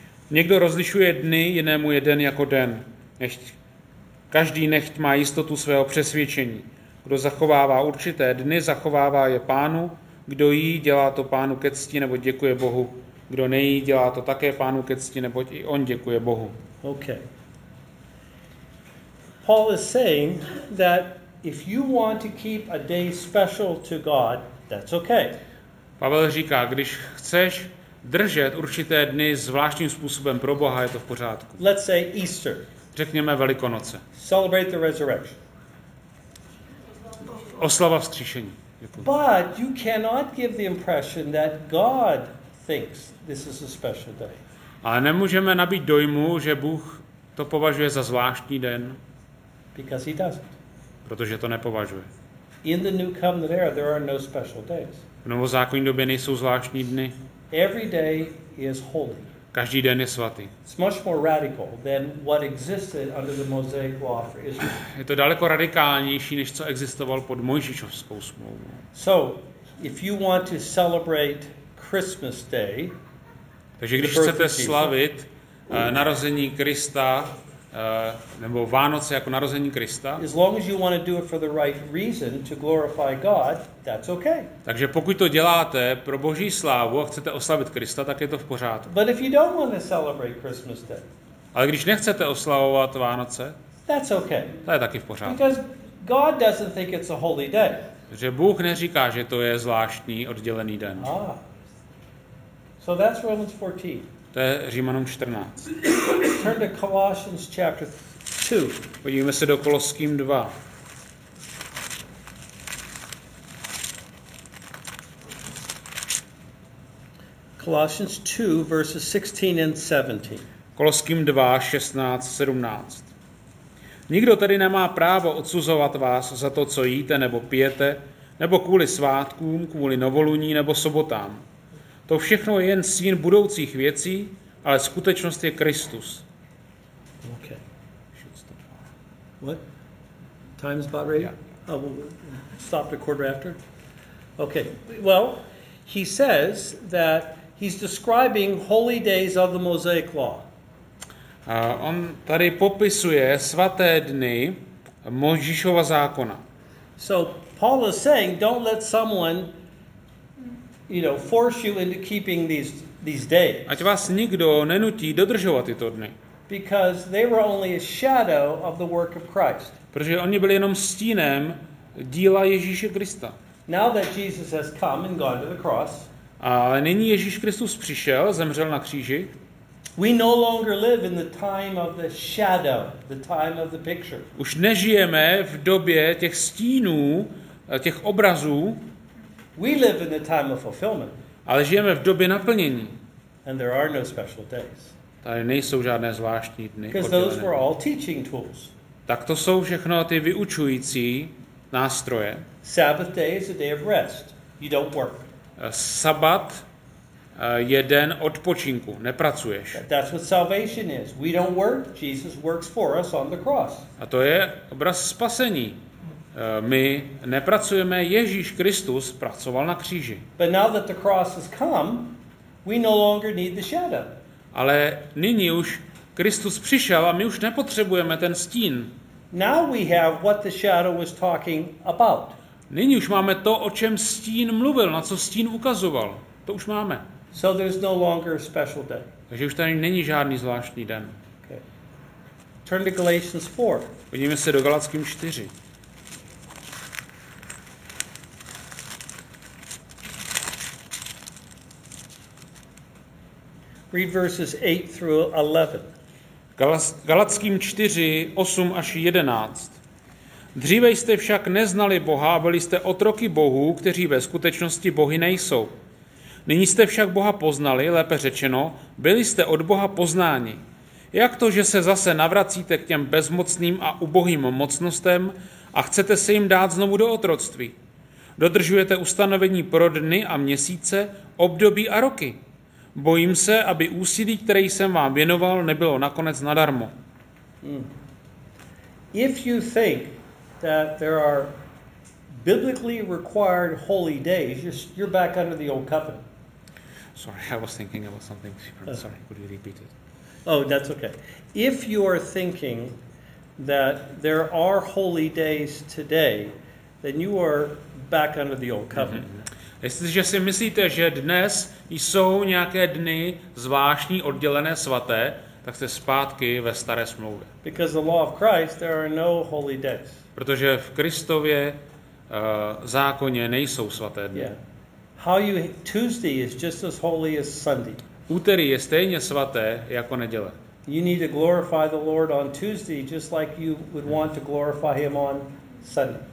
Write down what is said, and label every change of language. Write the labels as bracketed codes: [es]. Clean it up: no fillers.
[cs] Někdo rozlišuje dny, jinému je den jako den. Každý nechť má jistotu svého přesvědčení. Kdo zachovává určité dny, zachovává je Pánu. Kdo jí, dělá to Pánu ke cti, nebo děkuje Bohu. Kdo nejí, dělá to také Pánu ke cti, nebo i on děkuje Bohu. [en] Okay. Paul is saying that if you want to keep a day special to God, that's okay. [cs] Pavel říká, když chceš držet určité dny zvláštním způsobem pro Boha, je to v pořádku. [en] Let's say Easter. [cs] Řekněme Velikonoce. [en] Celebrate the resurrection. [cs] Oslava vzkříšení. [en] But you cannot give the impression that God thinks this is a special day. [cs] Ale nemůžeme nabít dojmu, že Bůh to považuje za zvláštní den. [en] Because he doesn't. [cs] Protože to nepovažuje. [en] In the new covenant era, there are no special days. [cs] V novozákonní době nejsou zvláštní dny. [en] Every day is holy. [cs] Každý den je svatý. [en] It's much more radical than what existed under the Mosaic law for Israel. [cs] Je to daleko radikálnější, než co existovalo pod Mojžíšovskou smlouvou. [en] So, if you want to celebrate Christmas Day, [cs] takže když chcete slavit narození Krista, nebo Vánoce jako narození Krista. [en] As long as you want to do it for the right reason to glorify God, that's okay. [cs] Takže pokud to děláte pro Boží slávu a chcete oslavit Krista, tak je to v pořádku. [en] But if you don't want to celebrate Christmas Day. [cs] Ale když nechcete oslavovat Vánoce, [en] that's okay. [cs] To je taky v pořádku. [en] Because God doesn't think it's a holy day. [cs] Že Bůh neříká, že to je zvláštní oddělený den. [en] So that's Romans 14. [cs] To je Římanům 14. [en] Turn to Colossians chapter 2. [cs] Podívejme se do Koloským 2. [en] Colossians 2 verses 16 and 17. [cs] Koloským 2 16 17. Nikdo tedy nemá právo odsuzovat vás za to, co jíte nebo pijete, nebo kvůli svátkům, kvůli novoluní nebo sobotám. To všechno je jen syn budoucích věcí, ale skutečnost je Kristus. [en] Okay. What? Time is about ready? Yeah. Oh, we'll stop the quarter after. Okay. Well, he says that he's describing holy days of the Mosaic law. [cs] On tady popisuje svaté dny Mojžíšova zákona. [en] So Paul is saying, don't let someone, you know, force you into keeping these days. [cs] Ať vás nikdo nenutí dodržovat tyto dny. [en] Because they were only a shadow of the work of Christ. [cs] Protože oni byli jenom stínem díla Ježíše Krista. [en] Now that Jesus has come and gone to the cross, [cs] a nyní Ježíš Kristus přišel, zemřel na kříži. [en] We no longer live in the time of the shadow, the time of the picture. [cs] Už nežijeme v době těch stínů, těch obrazů. [en] We live in the time of fulfillment. [cs] Ale žijeme v době naplnění. [en] And there are no special days. [cs] Tady nejsou žádné zvláštní dny. [en] Because those were all teaching tools. [cs] Tak to jsou všechno ty vyučující nástroje. [en] Sabbath day is a day of rest. You don't work. [cs] Sabat je den odpočinku, nepracuješ. [en] That's what salvation is. We don't work, Jesus works for us on the cross. [cs] A to je obraz spasení. My nepracujeme, Ježíš Kristus pracoval na kříži. [en] But now that the cross has come, we no longer need the shadow. [cs] Ale nyní už Kristus přišel a my už nepotřebujeme ten stín. [en] Now we have what the shadow was talking about. [cs] Nyní už máme to, o čem stín mluvil, na co stín ukazoval. To už máme. [en] So there's no longer a special day. [cs] Takže už tady není žádný zvláštní den. [en] Okay. Turn to Galatians 4. [cs] Podívejme se do Galatským 4. [en] Read verses 8 through 11. [cs] Galatským 4, 8 až 11. Dříve jste však neznali Boha, byli jste otroky bohů, kteří ve skutečnosti bohy nejsou. Nyní jste však Boha poznali, lépe řečeno, byli jste od Boha poznáni. Jak to, že se zase navracíte k těm bezmocným a ubohým mocnostem a chcete se jim dát znovu do otroctví? Dodržujete ustanovení pro dny a měsíce, období a roky. Bojím se, aby úsilí, které jsem vám věnoval, nebylo nakonec nadarmo. [en] If you think that there are biblically required holy days, you're back under the old covenant. Sorry, I was thinking about something. Sorry, could you repeat it? Oh, that's okay. If you are thinking that there are holy days today, then you are back under the old covenant. Mm-hmm. [cs] Jestliže si myslíte, že dnes jsou nějaké dny zvláštní, oddělené, svaté, tak jste zpátky ve staré smlouvě. [en] Because the law of Christ, there are no holy days. [cs] Protože v Kristově zákoně nejsou svaté dny. [en] Yeah. How you, Tuesday is just as holy as Sunday. [cs] Úterý je stejně svaté jako neděle. [en] You need to glorify the Lord on Tuesday just like you would want to glorify him on Sunday.